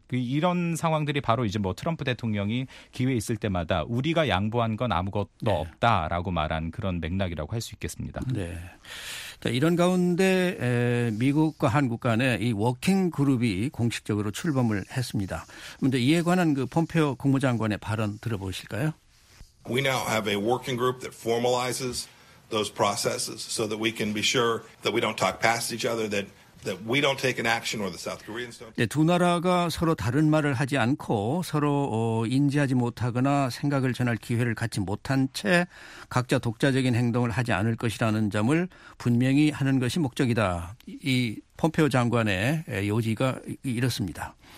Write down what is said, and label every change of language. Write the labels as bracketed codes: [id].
[ko] 이런 상황들이 바로 이제 뭐 트럼프 대통령이 기회 있을 때마다 우리가 양보한 건 아무것도 네. 없다라고 말한 그런 맥락이라고 할 수 있겠습니다. 네. 자, 이런 가운데 미국과 한국 간에 이 워킹 그룹이 공식적으로 출범을 했습니다. 먼저 이에 관한 그 폼페오 국무장관의 발언 들어보실까요? [en] We now have a working group that formalizes those processes so that we can be sure that we don't talk past each other that we don't take an action or the South Koreans don't. [ko] 네, 두 나라가 서로 다른 말을 하지 않고 서로 인지하지 못하거나 생각을 전할 기회를 갖지 못한 채 각자 독자적인 행동을 하지 않을 것이라는 점을 분명히 하는 것이 목적이다. 이 폼페오 장관의 요지가 이렇습니다.